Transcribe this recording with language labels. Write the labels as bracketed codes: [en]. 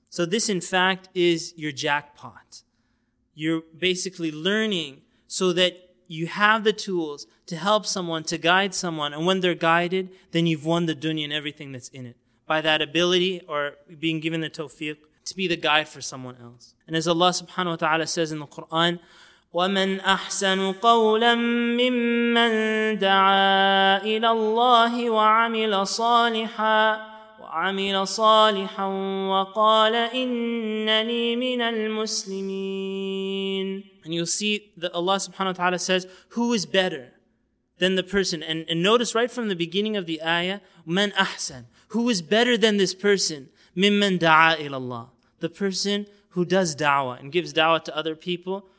[en] So this, in fact, is your jackpot. You're basically learning so that you have the tools to help someone, to guide someone, and when they're guided, then you've won the dunya and everything that's in it by that ability or being given the tawfiq to be the guide for someone else. And as Allah subhanahu wa ta'ala says in the Quran, [ar] وَمَنْ أَحْسَنُ قَوْلًا مِّمَّنْ دَعَى إِلَى اللَّهِ وَعَمِلَ صَالِحًا وَعَمِلَ صَالِحًا وَقَالَ إِنَّنِي مِنَ الْمُسْلِمِينَ. [en] And you'll see that Allah subhanahu wa ta'ala says, who is better than the person? And notice right from the beginning of the ayah, man ahsan, who is better than this person? [ar] Mimman da'a ila Allah. [en] The person who does da'wah and gives da'wah to other people.